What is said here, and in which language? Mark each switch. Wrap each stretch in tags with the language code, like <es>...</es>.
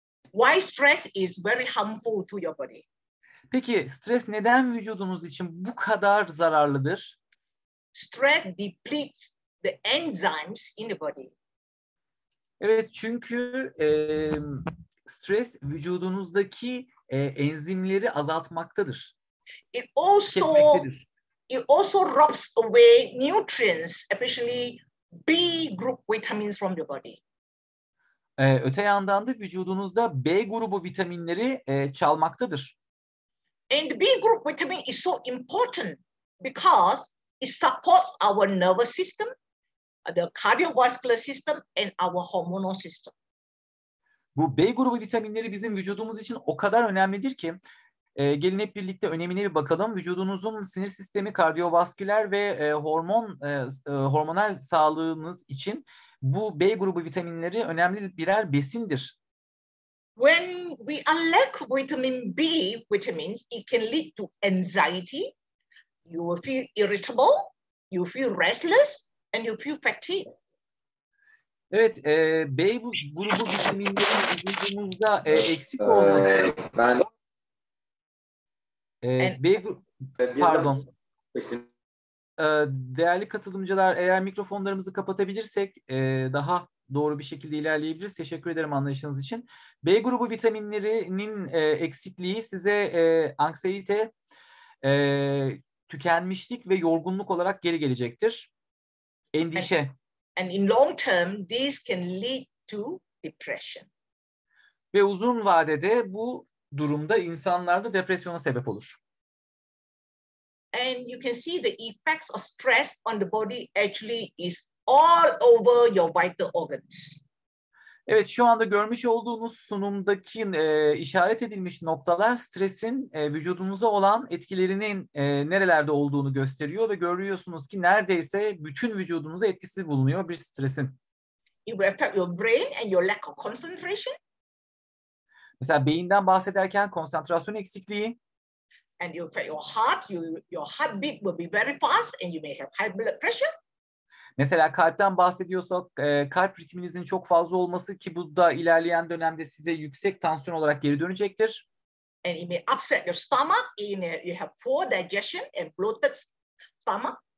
<en>Why stress is very harmful to your body?</en> <tr>Peki stres neden vücudunuz için bu kadar zararlıdır?</tr> <en>Stress depletes the enzymes in the body.</en> <tr>Evet çünkü stres vücudunuzdaki enzimleri azaltmaktadır. Tüketmektedir.</tr> <en>It also robs away nutrients, especially B group vitamins from your body.</en> <tr>Öte yandan da vücudunuzda B grubu vitaminleri çalmaktadır.</tr> <en>And B group vitamin is so important because it supports our nervous system, the cardiovascular system, and our hormonal system.</en> <tr>Bu B grubu vitaminleri bizim vücudumuz için o kadar önemlidir ki gelin hep birlikte önemine bir bakalım. Vücudunuzun sinir sistemi, kardiyovasküler ve hormonal sağlığınız için bu B grubu vitaminleri önemli birer besindir.</tr> <en>When we lack vitamin B vitamins, it can lead to anxiety. You will feel irritable, you feel restless, and you feel fatigued.</en> <tr>Evet, B grubu vitaminlerin vücudumuzda eksik olması Ben B grubu, birden pardon. Değerli katılımcılar, eğer mikrofonlarımızı kapatabilirsek daha doğru bir şekilde ilerleyebiliriz. Teşekkür ederim anlayışınız için. B grubu vitaminlerinin eksikliği size anksiyete, tükenmişlik ve yorgunluk olarak geri gelecektir. Endişe.</tr> <en>And in long term, this can lead to</en> <tr>Ve uzun vadede bu durumda insanlarda depresyona sebep olur.</tr> <en>And you can see the effects of stress on the body actually is all over your vital</en> <tr>Evet, şu anda görmüş olduğunuz sunumdaki işaret edilmiş noktalar stresin vücudunuza olan etkilerinin nerelerde olduğunu gösteriyor ve görüyorsunuz ki neredeyse bütün vücudunuza etkisi bulunuyor bir stresin.</tr> <en>It will affect your brain and your lack of concentration.</en> <tr>Mesela beyinden bahsederken konsantrasyon eksikliği.</tr> <en>And you affect your heart, your heartbeat will be very fast and you may have high blood pressure.</en> <tr>Mesela kalpten bahsediyorsak kalp ritminizin çok fazla olması ki bu da ilerleyen dönemde size yüksek tansiyon olarak geri dönecektir.</tr> <en>And it may upset your stomach, you have poor digestion and bloated stomach.</en>